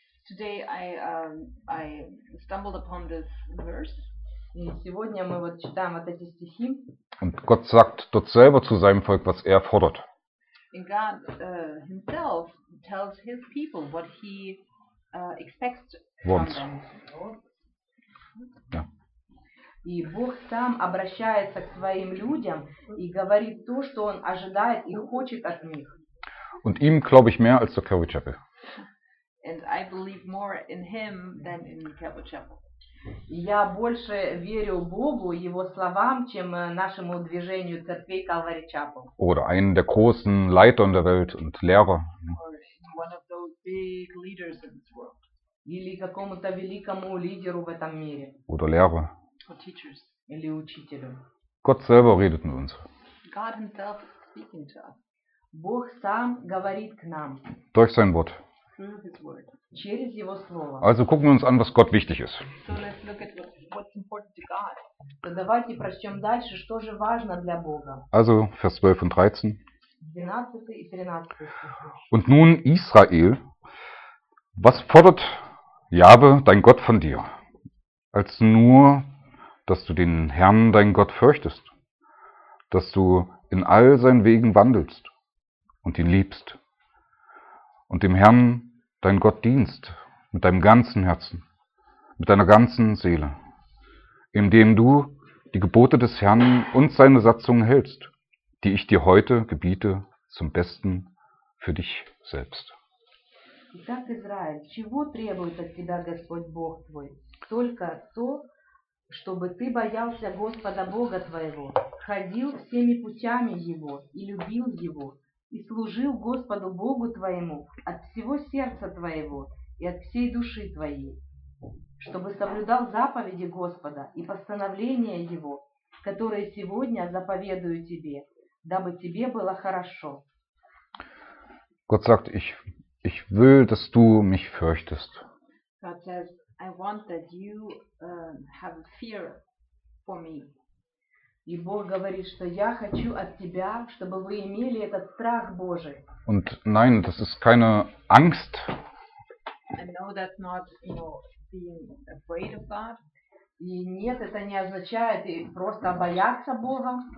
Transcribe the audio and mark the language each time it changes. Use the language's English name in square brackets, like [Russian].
[English] Today I stumbled upon this verse. [Russian] И сегодня мы вот читаем вот эти стихи. [German] Und Gott sagt dort selber zu seinem Volk, was er fordert. [English] And God himself tells his people what he expects from them. [German] Ja. [Russian] И Бог сам обращается к своим людям и говорит то, что он ожидает и хочет от них. [German] Und ihm glaube ich mehr als der Calvary Chapel. [English] And I believe more in him than in Calvary Chapel. [Russian] Я больше верю Богу, его словам, чем нашему движению церквей Calvary Chapel. [German] Oder einen der großen Leiter in der Welt und Lehrer. [English] One of those big leaders in this world. [Russian] Или какому-то великому лидеру в этом мире. [German] Oder Lehrer. [English] Or teachers. [Russian] Или учителю. [German] Gott selber redet mit uns. [English] God himself is speaking to us. [Russian] Бог сам говорит к нам. [German] Durch sein Wort. [English] Through his word. [Russian] Через его слово. [German] Also gucken wir uns an, was Gott wichtig ist. [English] So let's look at what's important to God. So [Russian] давайте прочтем дальше, что же важно для Бога. [German] Also Vers 12 und 13. [Russian] 12 и 13. [German] Und nun Israel, was fordert Jahwe, dein Gott, von dir, als nur, dass du den Herrn, dein Gott, fürchtest, dass du in all seinen Wegen wandelst und ihn liebst und dem Herrn, dein Gott, dienst mit deinem ganzen Herzen, mit deiner ganzen Seele, indem du die Gebote des Herrn und seine Satzungen hältst, die ich dir heute gebiete zum Besten für dich selbst. [Russian] Итак, Израиль, чего требует от тебя Господь Бог твой? Только то, чтобы ты боялся Господа Бога твоего, ходил всеми путями Его и любил Его, и служил Господу Богу твоему от всего сердца твоего и от всей души твоей, чтобы соблюдал заповеди Господа и постановления Его, которые сегодня заповедую тебе, дабы тебе было хорошо. [German] Gott sagt, ich will, dass du mich fürchtest. [English] God says, I want that you have fear for me. [Russian] И Бог говорит, что я хочу от тебя, чтобы вы имели этот страх Божий. [German] Und nein, das ist keine Angst. [English] And no, that's not, you know, being afraid of God. [Russian] И нет, это не означает просто бояться Бога.